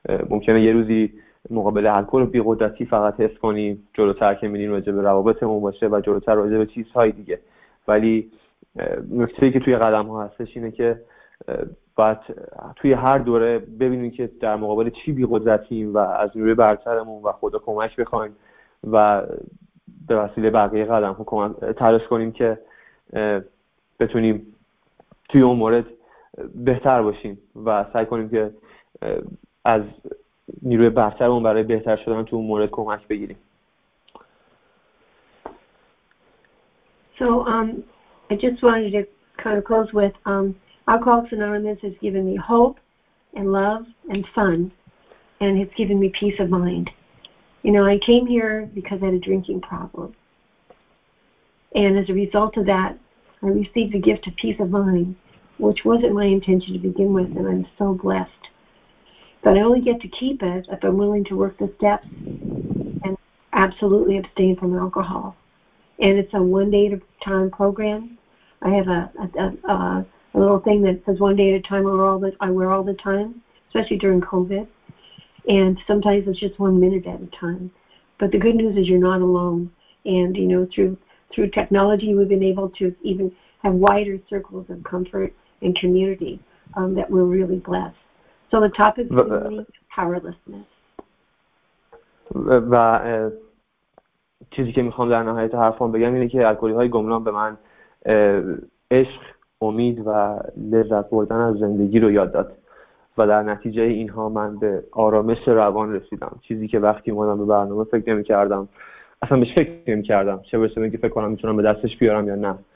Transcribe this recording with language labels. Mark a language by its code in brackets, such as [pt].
[fa] ممکنه یه روزی مقابل الکل و بی قدرتی فقط حس کنیم، جلوتر که میریم راجع به روابطمون باشه و جلوتر راجع به چیزهای دیگه، ولی نکته‌ای که توی قدم ها هستش اینه که باید توی هر دوره ببینیم که در مقابل چی بی قدرتیم و از روی برترمون و خدا کمک بخوایم و به وسیله بقیه قدم ها تلاش کنیم که بتونیم توی اون مورد بهتر باشیم و سعی کنیم که از نیروی برترمون برای بهتر شدن تو اون مورد کمک بگیریم. [en] So I just wanted to kind of close with Alcoholics Anonymous has given me hope and love and fun and it's given me peace of mind. You know, I came here because I had a drinking problem. And as a result of that, I received the gift of peace of mind, which wasn't my intention to begin with, and I'm so blessed. But I only get to keep it if I'm willing to work the steps and absolutely abstain from alcohol. And it's a one-day-at-a-time program. I have a little thing that says one day at a time I wear all the time, especially during COVID. And sometimes it's just 1 minute at a time. But the good news is you're not alone. And, you know, through technology, we've been able to even have wider circles of comfort and community that we're really blessed. So the topic is powerlessness. [fa] و چیزی که میخوام در نهایت حرفم بگم اینه که الکلی های گمنام به من عشق، امید و لذت بردن از زندگی رو یاد داد و در نتیجه اینها من به آرامش روان رسیدم، چیزی که وقتی اومدم به برنامه فکر نمی کردم، اصلا بهش فکر نمی کردم، چه برسه اینکه فکر کنم میتونم به دستش بیارم یا نه.